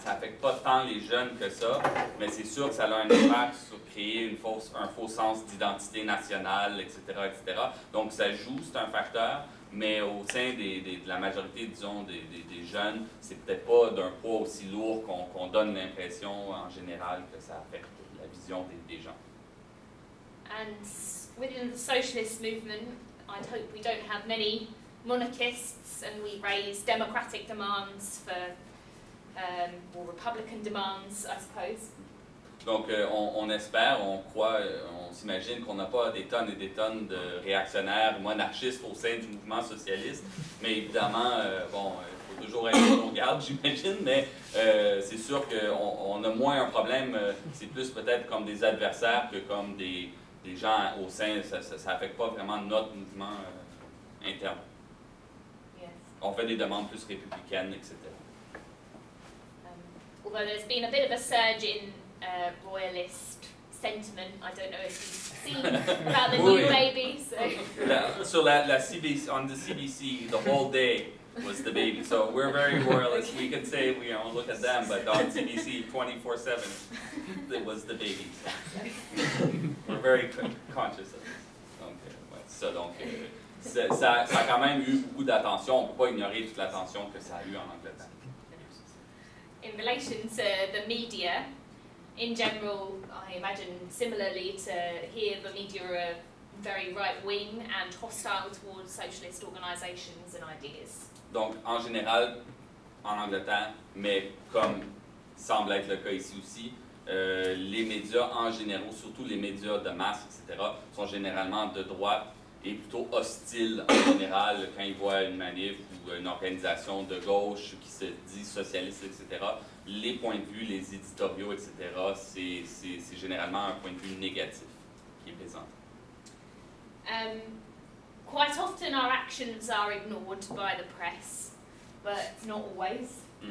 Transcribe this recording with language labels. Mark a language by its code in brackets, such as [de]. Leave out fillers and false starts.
[fr] Ça n'affecte pas tant les jeunes que ça, mais c'est sûr que ça a un impact sur créer un faux sens d'identité nationale, etc., etc. Donc ça joue, c'est un facteur, mais au sein de la majorité, disons, des jeunes, c'est peut-être pas d'un poids aussi lourd qu'on donne l'impression en général que ça affecte la vision des gens. [en] And within the socialist movement, I'd hope we don't have many monarchists and we raise democratic demands for, or republican demands, I suppose. [fr] Donc, on espère, on croit, on s'imagine qu'on n'a pas des tonnes et des tonnes de réactionnaires monarchistes au sein du mouvement socialiste, mais évidemment, il faut toujours être en garde, j'imagine, mais c'est sûr qu'on a moins un problème, c'est plus peut-être comme des adversaires que comme des gens au sein, ça affecte pas vraiment notre mouvement interne. [en] Yes. [fr] On fait des demandes plus républicaines, etc. [en] Although there's been a bit of a surge in royalist sentiment, I don't know if you've seen about the [fr] oui. [en] new baby. So la CBC, on the CBC, the whole day was the baby. So we're very royalist. We can say we don't look at them, but on CBC 24/7, it was the baby. So. Very conscious of this. [fr] Donc, ouais, c'est ça. Donc, ça a quand même eu beaucoup d'attention. On ne peut pas ignorer toute l'attention que ça a eu en Angleterre. [en] In relation to the media, in general, I imagine similarly to here, the media are very right-wing and hostile towards socialist organizations and ideas. [fr] Donc, en général, en Angleterre, mais comme semble être le cas ici aussi, les médias en général, surtout les médias de masse, etc., sont généralement de droite et plutôt hostiles en général quand ils voient une manif ou une organisation de gauche qui se dit socialiste, etc. Les points de vue, les éditoriaux, etc., c'est généralement un point de vue négatif qui est présenté. [en] Quite often our actions are ignored by the press, but not always.